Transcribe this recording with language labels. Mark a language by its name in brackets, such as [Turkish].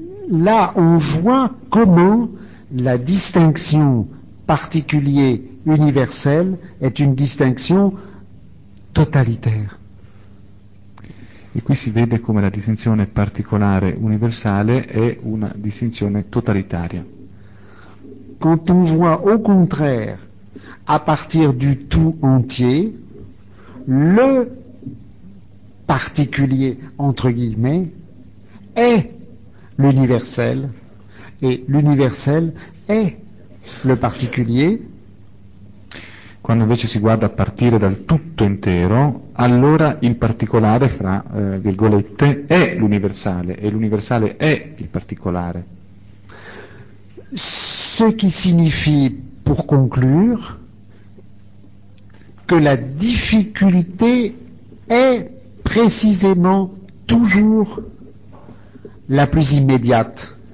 [French] Là, on voit comment la distinction particulier universelle est une distinction totalitaire. [Italian] E qui si vede come la distinzione particolare universale è una distinzione totalitaria. [French] Quand on voit au contraire, à partir du tout entier, le particulier, entre guillemets, est l'universel, et l'universel est le particulier. [Italian] Quando invece si guarda a partire dal tutto intero, allora il particolare, fra virgolette, è l'universale, e l'universale è il particolare. [French] Ce qui signifie, pour conclure, que la difficulté est précisément toujours la plus immédiate.